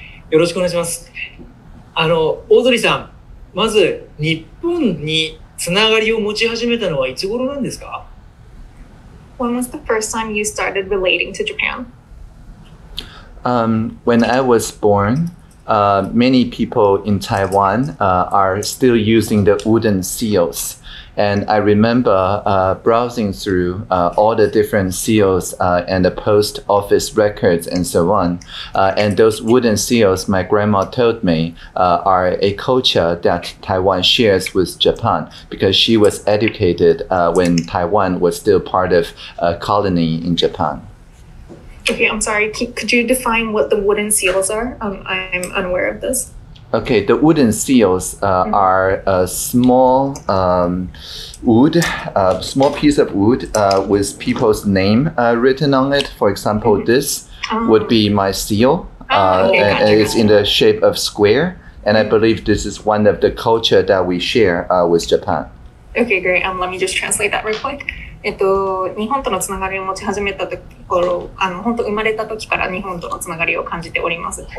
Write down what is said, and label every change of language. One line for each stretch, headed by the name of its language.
Japanese: よろしくお願いします。オードリーさん、まず日本につながりを持ち始めたのはいつ頃なんですか?
English: When was the first time you started relating to Japan? When I was born, many people in Taiwan are still using the wooden seals. And I remember browsing through all the different seals and the post office records and so on. And those wooden seals, my grandma told me, are a culture that Taiwan shares with Japan because she was educated when Taiwan was still part of a colony in Japan. Okay, I'm sorry. Could you define what the wooden seals are? I'm unaware of this. Okay, the wooden seals are a small small piece of wood with people's name written on it. For example, this would be my seal. And it's in the shape of square. And I believe this is one of the culture that we share with Japan. Okay, great. Let me just translate that real quick.
Japanese: 日本とのつながりを持ち始めたところ、本当生まれた時から日本とのつながりを感じております。